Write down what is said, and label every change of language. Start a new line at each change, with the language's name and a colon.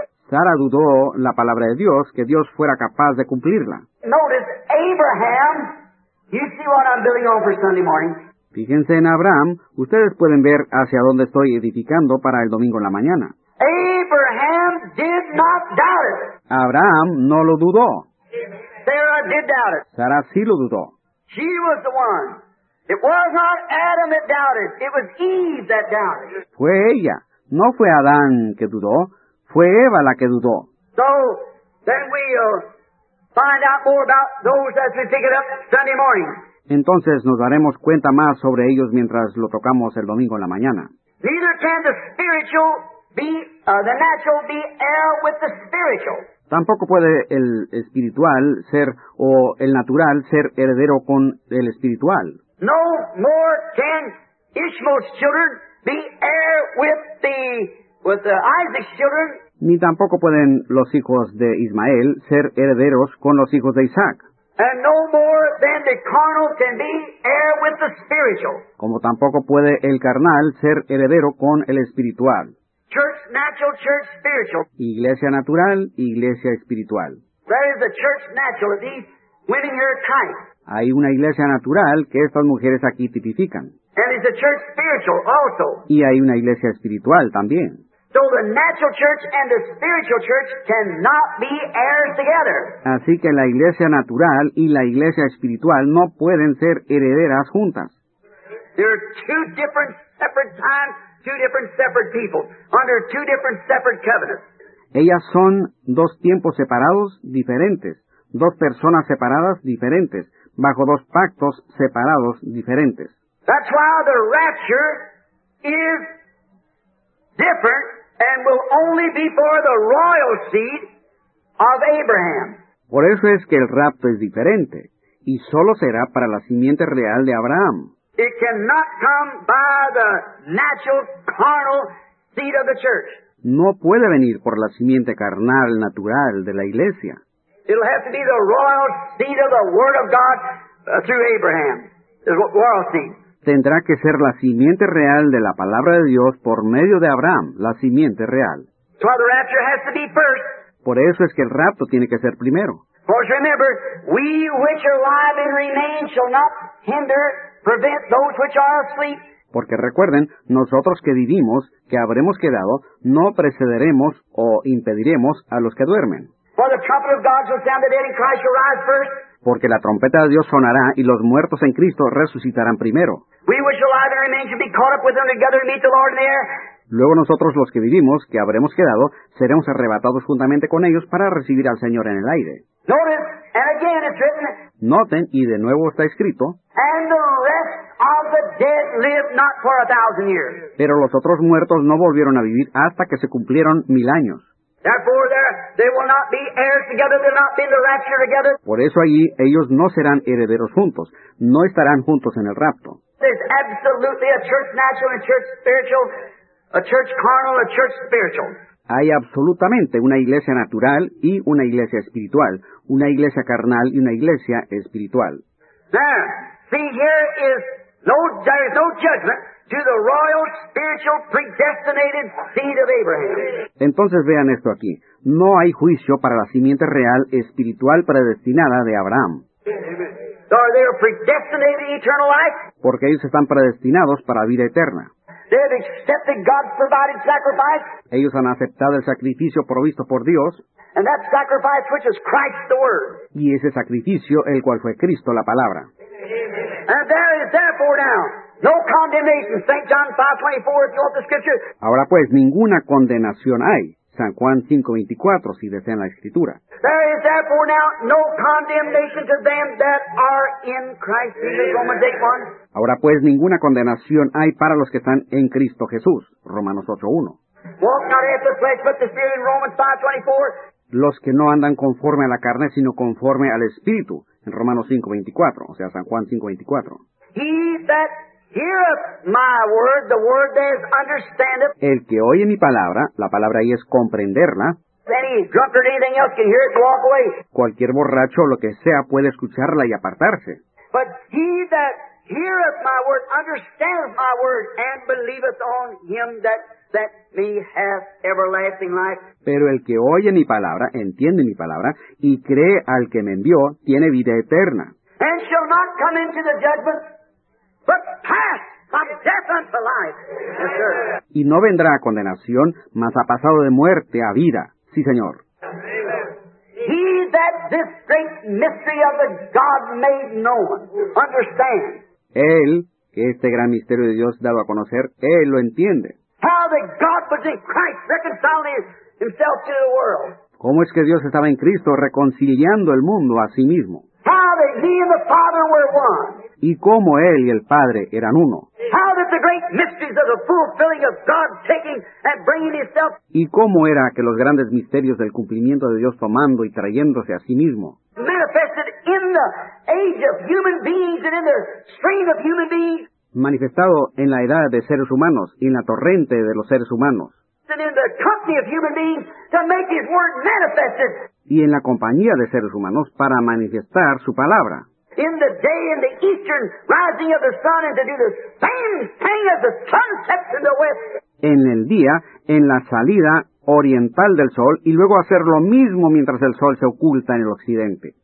Spanish: Sara dudó la palabra de Dios, que Dios fuera capaz de cumplirla.
English: Notice Abraham. You see what I'm building on for Sunday morning.
Spanish: Fíjense en Abraham. Ustedes pueden ver hacia dónde estoy edificando para el domingo en la mañana.
English: Abraham did not doubt it.
Spanish: Abraham no lo dudó.
English: Sarah did doubt it.
Spanish: Sara sí lo dudó.
English: She was the one. It was not Adam that doubted. It was Eve that doubted.
Spanish: Fue ella. No fue Adán que dudó. Fue Eva la que dudó.
English: So, then we'll find out more about those as we pick it up Sunday morning.
Spanish: Entonces nos daremos cuenta más sobre ellos mientras lo tocamos el domingo en la mañana.
English: Neither can the spiritual be, the natural be heir with the spiritual.
Spanish: Tampoco puede el espiritual ser, o el natural ser heredero con el espiritual.
English: No more can Ishmael's children be heir with the Isaac's children.
Spanish: Ni tampoco pueden los hijos de Ismael ser herederos con los hijos de Isaac.
English: And no more than the carnal can be heir with the spiritual.
Spanish: Como tampoco puede el carnal ser heredero con el espiritual.
English: Church natural, church spiritual.
Spanish: Iglesia natural, iglesia espiritual.
English: There is a church natural at least winning her type.
Spanish: Hay una iglesia natural que estas mujeres aquí tipifican.
English: And it's a church spiritual also.
Spanish: Y hay una iglesia espiritual también.
English: So the natural church and the spiritual church cannot be heirs together.
Spanish: Así que la iglesia natural y la iglesia espiritual no pueden ser herederas juntas.
English: There are two different separate times, two different separate people, under two different separate covenants.
Spanish: Ellas son dos tiempos separados diferentes, dos personas separadas diferentes, bajo dos pactos separados diferentes.
English: That's why the rapture is different and will only be for the royal seed of Abraham.
Spanish: Por eso es que el rapto es diferente y solo será para la simiente real de Abraham.
English: It cannot come by the natural carnal seed of the church.
Spanish: No puede venir por la simiente carnal natural de la iglesia.
English: It'll have to be the royal seed of the Word of God through Abraham. The royal seed.
Spanish: Tendrá que ser la simiente real de la palabra de Dios por medio de Abraham, la simiente real.
English: That's why the rapture has to be first.
Spanish: Por eso es que el rapto tiene que ser primero.
English: For remember, we which are alive and remain shall not hinder, prevent those which are asleep.
Spanish: Porque recuerden, nosotros que vivimos, que habremos quedado, no precederemos o impediremos a los que duermen.
English: For the trumpet of God shall sound the dead and Christ shall rise first.
Spanish: Porque la trompeta de Dios sonará y los muertos en Cristo resucitarán primero.
English: We which are alive and remain shall be caught up with them together and meet the Lord in the air.
Spanish: Luego nosotros los que vivimos, que habremos quedado, seremos arrebatados juntamente con ellos para recibir al Señor en el aire.
English: Notice, and again it's written,
Spanish: noten, y de nuevo está escrito,
English: and the rest of the dead lived not for a thousand years.
Spanish: Pero los otros muertos no volvieron a vivir hasta que se cumplieron 1,000 años.
English: Therefore they will not be heirs together, they will not be in the rapture together.
Spanish: Por eso allí ellos no serán herederos juntos, no estarán juntos en el rapto.
English: There's absolutely a church natural and church spiritual. A church carnal, a church spiritual.
Spanish: Hay absolutamente una iglesia natural y una iglesia espiritual, una iglesia carnal y una iglesia espiritual.
English: Now, see, here is no, there is no judgment to the royal, spiritual, predestinated seed of Abraham.
Spanish: Entonces vean esto aquí. No hay juicio para la simiente real, espiritual, predestinada de Abraham.
English: So are they predestinated eternal life?
Spanish: Porque ellos están predestinados para vida eterna.
English: They have accepted God's provided sacrifice.
Spanish: Ellos han aceptado el sacrificio provisto por Dios.
English: And that sacrifice which is Christ the Word.
Spanish: Y ese sacrificio, el cual fue Cristo, la palabra.
English: And there is therefore now no condemnation. St. John 5:24, if you want the scripture.
Spanish: Ahora pues, ninguna condenación hay. San Juan 5:24, si desean la escritura.
English: There is therefore now no condemnation to them that are in Christ Jesus. Amen. Romans 8:1.
Spanish: Ahora pues, ninguna condenación hay para los que están en Cristo Jesús. Romanos 8:1.
English: Walk not after the flesh, but the Spirit in Romans 5:24.
Spanish: Los que no andan conforme a la carne, sino conforme al Espíritu. En Romanos 5:24, o sea, San Juan 5:24.
English: He that heareth my word, the word that is understandeth.
Spanish: El que oye mi palabra, la palabra ahí es comprenderla.
English: Any drunkard or anything else can hear it and walk away.
Spanish: Cualquier borracho o lo que sea puede escucharla y apartarse.
English: But he that heareth my word, understandeth my word, and believeth on him that sent me hath everlasting life.
Spanish: Pero el que oye mi palabra, entiende mi palabra, y cree al que me envió, tiene vida eterna.
English: And shall not come into the judgment, but pass from death unto life. Yes, sir.
Spanish: Y no vendrá a condenación, mas ha pasado de muerte a vida. Sí, Señor.
English: He that this great mystery of the God made known, understand.
Spanish: Él, que este gran misterio de Dios dado a conocer, él lo entiende.
English: How that God was in Christ reconciling himself to the world.
Spanish: ¿Cómo es que Dios estaba en Cristo reconciliando el mundo a sí mismo?
English: How that he and the Father were one.
Spanish: ¿Y cómo él y el Padre eran uno?
English: How that the great mysteries of the fulfilling of God taking and bringing himself.
Spanish: ¿Y cómo era que los grandes misterios del cumplimiento de Dios tomando y trayéndose a sí mismo?
English: Manifested in the age of human beings and in the stream of human beings.
Spanish: Manifestado en la edad de seres humanos y en la torrente de los seres humanos.
English: And in the company of human beings to make his word manifested.
Spanish: Y en la compañía de seres humanos para manifestar su palabra.
English: In the day and the eastern rising of the sun and to do the same thing as the sun sets in the west.
Spanish: En el día, en la salida oriental del sol y luego hacer lo mismo mientras el sol se oculta en el occidente.